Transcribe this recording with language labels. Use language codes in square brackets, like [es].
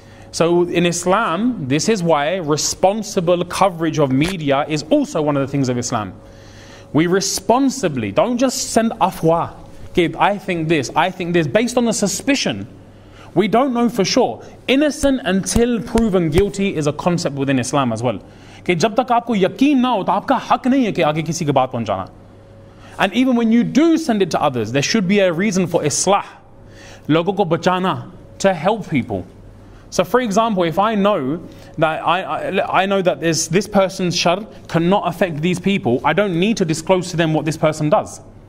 [en] So in Islam, this is why responsible coverage of media is also one of the things of Islam. We responsibly, don't just send afwa. Okay, I think this, based on the suspicion. We don't know for sure. Innocent until proven guilty is a concept within Islam as well. [ur] Okay, جب تک آپکو یقین نہ ہو، تو آپکا حق نہیں ہے کہ آگے کسی کے بات پہنچانا۔ [en] And even when you do send it to others, there should be a reason for islah. [ur] Logo ko bachana, [en] to help people. So for example, if I know that I know that this person's shar cannot affect these people, I don't need to disclose to them what this person does.